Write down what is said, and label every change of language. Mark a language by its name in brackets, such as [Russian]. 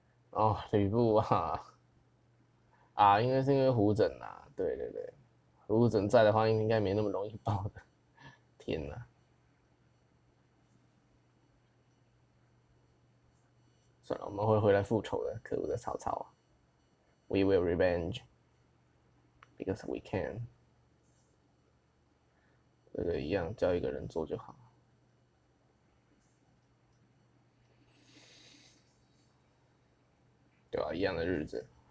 [Chinese] 哦，吕布啊，应该是因为胡整啊，对对对，胡整在的话，应该没那么容易爆的。天哪！算了，我们会回来复仇的。可恶的曹操， [English] We will revenge because we can。 [Chinese] 这个一样，叫一个人做就好。对啊，一样的日子。